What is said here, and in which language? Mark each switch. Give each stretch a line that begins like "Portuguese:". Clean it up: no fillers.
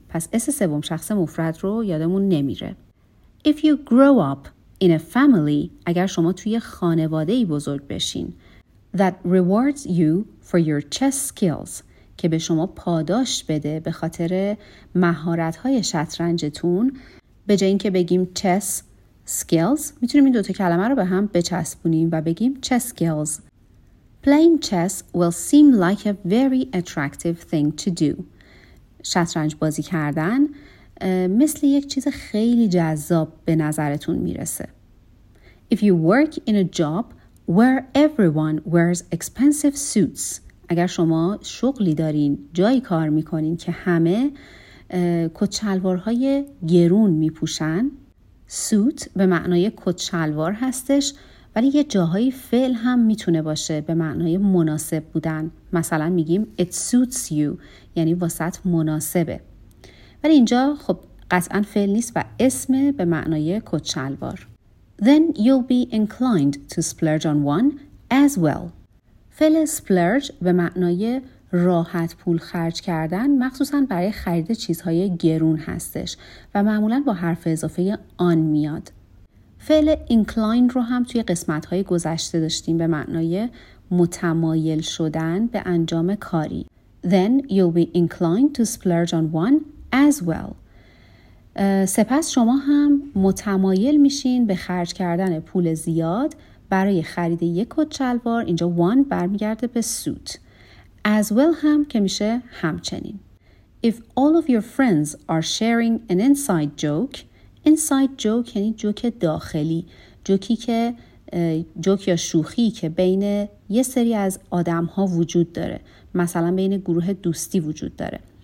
Persian: پس اس سوم شخص مفرد رو یادمون نمیره.
English: If you grow up in a family,
Persian: اگر شما توی خانواده‌ای بزرگ بشین,
English: that rewards you for your chess skills,
Persian: که به شما پاداش بده به خاطر مهارت‌های شطرنجتون, به جای اینکه بگیم chess skills, میتونیم این دوتا کلمه رو به هم بچسبونیم و بگیم chess skills.
English: Playing chess will seem like a very attractive thing to do.
Persian: شطرنج بازی کردن مثل یک چیز خیلی جذاب به نظرتون میرسه.
English: If you work in a job where everyone wears expensive suits.
Persian: اگر شما شغلی دارین، جایی کار میکنین که همه کت شلوارهای گرون میپوشن، suit به معنای کت شلوار هستش، ولی یه جاهایی فعل هم میتونه باشه به معنای مناسب بودن. مثلا میگیم
English: it suits you،
Persian: یعنی واسط مناسبه. ولی اینجا خب قطعا فعل نیست و اسم به معنای کت شلوار.
English: Then you'll be inclined to splurge on one as well.
Persian: فعل splurge به معنای راحت پول خرج کردن، مخصوصا برای خرید چیزهای گرون هستش و معمولا با حرف اضافه آن میاد. فعل inclined رو هم توی قسمت‌های گذشته داشتیم به معنای متمایل شدن به انجام کاری.
English: Then you'll be inclined to splurge on one as well.
Persian: سپس شما هم متمایل میشین به خرج کردن پول زیاد برای خرید یک کت شلوار، اینجا one برمیگرده به suit. As well هم که میشه همچنین.
English: If all of your friends are sharing an inside joke.
Persian: Inside joke یعنی جوک داخلی، جوکی که جوک یا شوخی که بین یه سری از آدم‌ها وجود داره، مثلا بین گروه دوستی وجود داره.